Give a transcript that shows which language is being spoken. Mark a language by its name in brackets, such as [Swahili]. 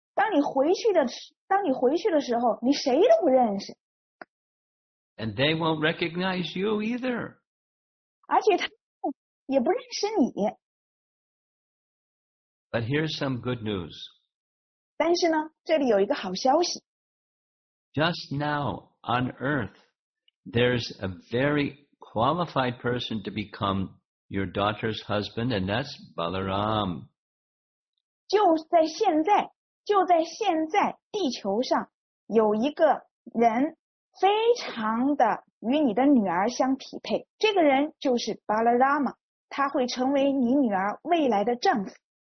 [Chinese] 当你回去的时候，你谁都不认识。 [English] And they won't recognize you either. [Chinese] 而且他们也不认识你。 [English] But here's some good news. [Chinese] 但是呢，这里有一个好消息。 [English] Just now, on Earth, there's a very qualified person to become your daughter's husband, and that's Balaram. [Chinese] 就在现在，地球上有一个人非常的与你的女儿相匹配，这个人就是 Balarama, 他会成为你女儿未来的丈夫。